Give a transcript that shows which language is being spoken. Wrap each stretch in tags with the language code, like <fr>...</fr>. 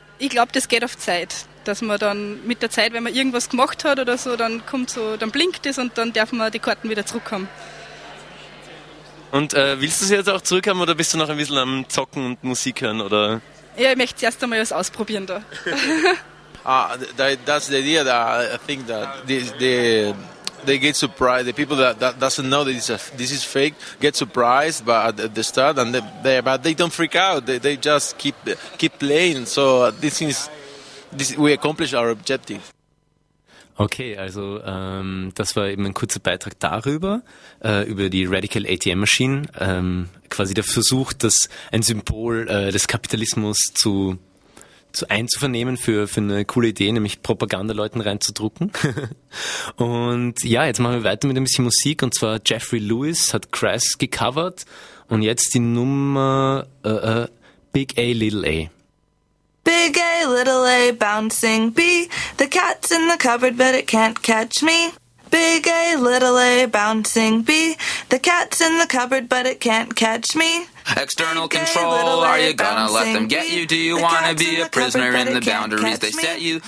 <de>Ich glaube, das geht auf Zeit, dass man dann mit der Zeit, wenn man irgendwas gemacht hat oder so, dann kommt so, dann blinkt es und dann darf man die Karten wieder zurückhaben. Und willst du sie jetzt auch zurückhaben oder bist du noch ein bisschen am Zocken und Musik hören, oder? Ja, ich möchte erst einmal was ausprobieren da.</de> <en>that's the idea that I think that they get surprised. The people that doesn't know that this is fake get surprised, but at the start, and they don't freak out. They just keep playing. So we accomplish our objective.</en> <de>Okay, also das war eben ein kurzer Beitrag darüber, über die Radical ATM Machine, quasi der Versuch, dass ein Symbol des Kapitalismus zu einzuvernehmen für eine coole Idee, nämlich Propagandaleuten reinzudrucken. Und ja, jetzt machen wir weiter mit ein bisschen Musik, und zwar Jeffrey Lewis hat Crass gecovert und jetzt die Nummer Big A Little A.</de> <en>Big A Little A bouncing B, the cat's in the cupboard but it can't catch me. Big A Little A bouncing B, the cat's in the cupboard but it can't catch me. External control, are you gonna let them get you? Do you wanna be a prisoner in the boundaries they set you?</en>